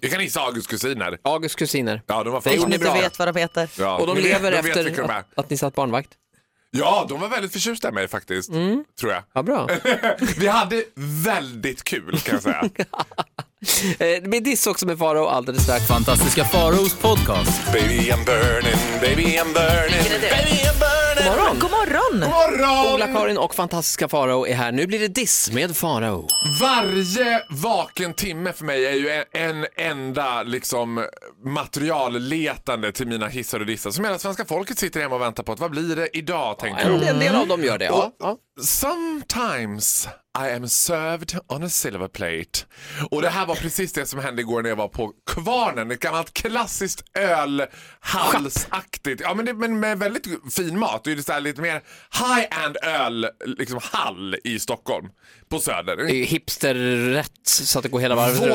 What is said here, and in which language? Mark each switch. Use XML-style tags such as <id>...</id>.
<sv>Jag kan hissa Augusts kusiner. Augusts kusiner. Ja, de var fan bra. Ni vet vad de heter. Ja. Och de lever efter att ni satt barnvakt. Ja, de var väldigt förtjusta med mig faktiskt, tror jag. Ja, bra. Vi hade väldigt kul, kan jag säga. Det blir diss också med Faro alldeles strax. Fantastiska Faros podcast.</sv> <en>Baby, I'm burning, baby, I'm burning, baby, I'm burning.</en> <sv>God morgon. God morgon. God morgon. Ola-Karin och fantastiska Farao är här. Nu blir det diss med Farao. Varje vaken timme för mig är ju en enda liksom materialletande till mina hissar och dissar. Som hela svenska folket sitter hemma och väntar på att vad blir det idag, tänker jag. En del av dem gör det, ja.</sv> <en>Sometimes I am served on a silver plate.</en> <sv>Och det här var precis det som hände igår när jag var på Kvarnen. Ett gammalt klassiskt ölhallsaktigt. Ja, men, det, men med väldigt fin mat. Det är så här lite mer high-end öl, liksom hall i Stockholm. På Söder. Det är hipsterrätt så att det går hela varvet.</sv>